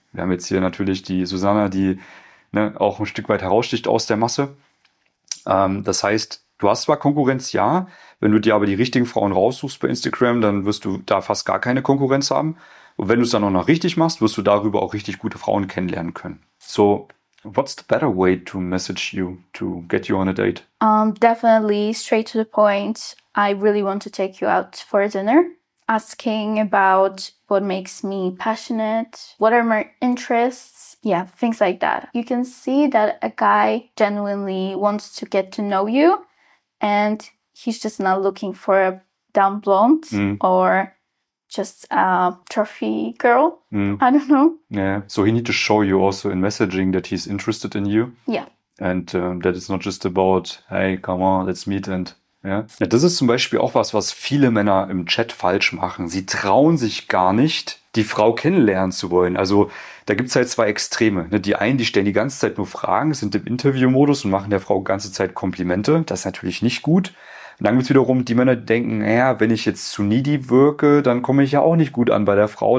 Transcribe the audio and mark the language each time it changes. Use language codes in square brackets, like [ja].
[de] Wir haben jetzt hier natürlich die Susanna, die auch ein Stück weit heraussticht aus der Masse. Das heißt, du hast zwar Konkurrenz, ja, wenn du dir aber die richtigen Frauen raussuchst bei Instagram, dann wirst du da fast gar keine Konkurrenz haben. Und wenn du es dann auch noch richtig machst, wirst du darüber auch richtig gute Frauen kennenlernen können. [en] So, what's the better way to message you to get you on a date? Definitely straight to the point. I really want to take you out for dinner. Asking about what makes me passionate, what are my interests, yeah, things like that. You can see that a guy genuinely wants to get to know you and he's just not looking for a dumb blonde or just a trophy girl. Mm. I don't know. Yeah. So he needs to show you also in messaging that he's interested in you. Yeah. And that it's not just about, hey, come on, let's meet and... [de] Ja. Ja, das ist zum Beispiel auch was viele Männer im Chat falsch machen. Sie trauen sich gar nicht, die Frau kennenlernen zu wollen. Also da gibt es halt zwei Extreme. Die einen, die stellen die ganze Zeit nur Fragen, sind im Interviewmodus und machen der Frau die ganze Zeit Komplimente. Das ist natürlich nicht gut. Und dann gibt es wiederum die Männer, die denken, naja, wenn ich jetzt zu needy wirke, dann komme ich ja auch nicht gut an bei der Frau.